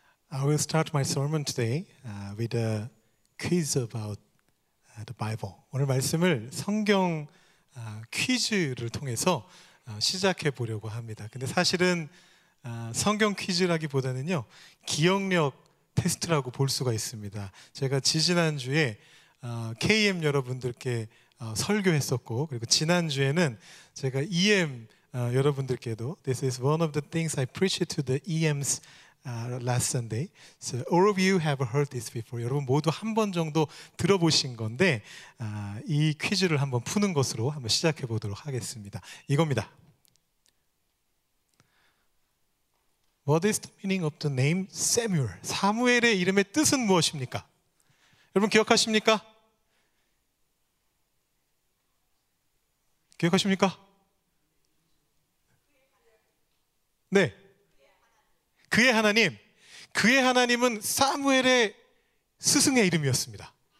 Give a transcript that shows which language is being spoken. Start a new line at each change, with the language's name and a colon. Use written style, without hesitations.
English: I will start my sermon today with a quiz about the Bible.
Korean: 오늘 말씀을 성경 퀴즈를 통해서 시작해 보려고 합니다. 근데 사실은 성경 퀴즈라기보다는요, 기억력 테스트라고 볼 수가 있습니다. 제가 지난주에 KM 여러분들께 설교했었고, 그리고 지난주에는 제가 EM 여러분들께도
English: This is one of the things I preach to the EMs last Sunday. So all of you have heard this before.
Korean: 여러분 모두 한 번 정도 들어보신 건데 이 퀴즈를 한번 푸는 것으로 한번 시작해 보도록 하겠습니다. 이겁니다.
English: What is the meaning of the name Samuel?
Korean: 사무엘의 이름의 뜻은 무엇입니까? 여러분 기억하십니까? 기억하십니까? 네. 그의 하나님. 그의 하나님은 사무엘의 스승의 이름이었습니다.